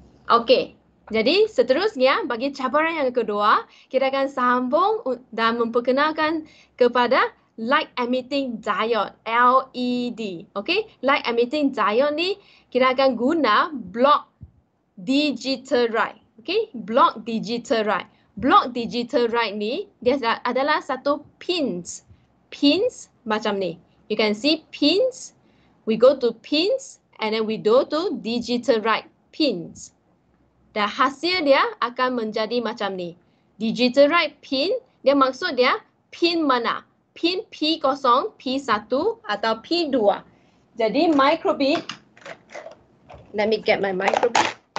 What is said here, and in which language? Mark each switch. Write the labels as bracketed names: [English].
[Malay] Okey, jadi seterusnya bagi cabaran yang kedua, kita akan sambung dan memperkenalkan kepada light emitting diode, LED. Okey, light emitting diode ni kita akan guna block digital right. Okey, block digital right. Block digital right ni dia adalah satu pins. Pins macam ni. [English] You can see pins. We go to pins and then we go to digital right pins. [Malay] Dan hasil dia akan menjadi macam ni. Digital right pin, dia maksud dia pin mana? Pin P0, P1 atau P2. Jadi microbit, [English] let me get my microbit.